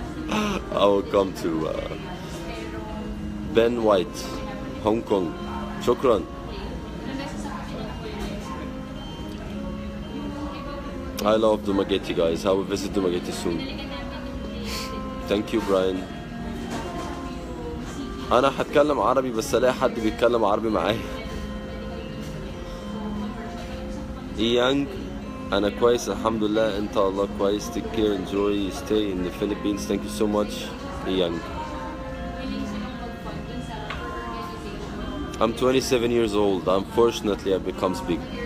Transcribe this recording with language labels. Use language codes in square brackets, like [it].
[en] I will come to Ben White, Hong Kong. Shukran. I love Dumaguete guys, I will visit Dumaguete soon. Thank you Brian. [ar] أنا هتكلم عربي بس ألاقي حد بيتكلم عربي معايا. Yang, أنا كويس الحمد لله أنت الله كويس. [en] Take care, enjoy, stay in the Philippines. Thank you so much. Yang. I'm 27 years old. Unfortunately, I've become big.